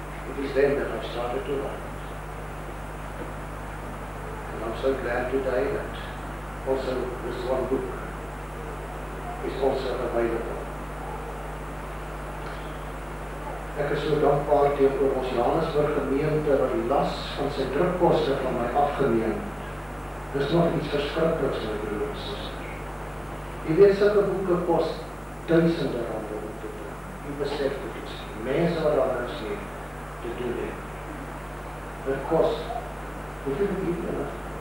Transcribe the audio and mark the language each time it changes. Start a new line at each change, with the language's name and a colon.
English: It is then that I started to write. And I'm so glad today that also this one book is also available.
Afrikaans: Ek is so dankbaar teenoor ons Johannesburg gemeente dat die las van sy drukkoste van my afgeneem. Dis nog iets verskrikliks, my broer en suster. Jy weet, sulke boeke kos duisende rande om te doen. Jy besef dit is mense wat daar is nie te doen het. Dit kos, hoeveel het jy nie nog?